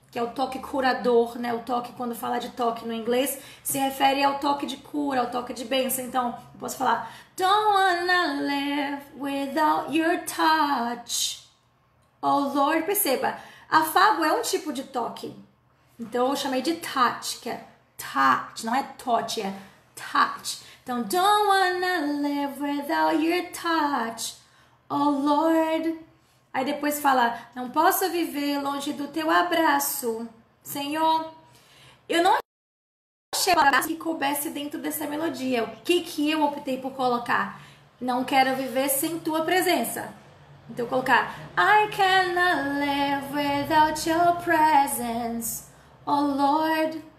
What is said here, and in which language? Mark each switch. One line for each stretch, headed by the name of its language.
Portuguese: Que é o toque curador, né? O toque, quando fala de toque no inglês, se refere ao toque de cura, ao toque de bênção. Então, eu posso falar:
English: Don't wanna live without your touch. Oh Lord,
Portuguese: perceba, afago é um tipo de toque. Então, eu chamei de touch, que é touch, não é touch, é touch.
English: Então, Don't wanna live without your touch. Oh Lord.
Portuguese: Aí depois fala, não posso viver longe do teu abraço, Senhor. Eu não achei o abraço que coubesse dentro dessa melodia. O que que eu optei por colocar? Não quero viver sem tua presença. Então eu colocar,
English: I cannot live without your presence, oh Lord.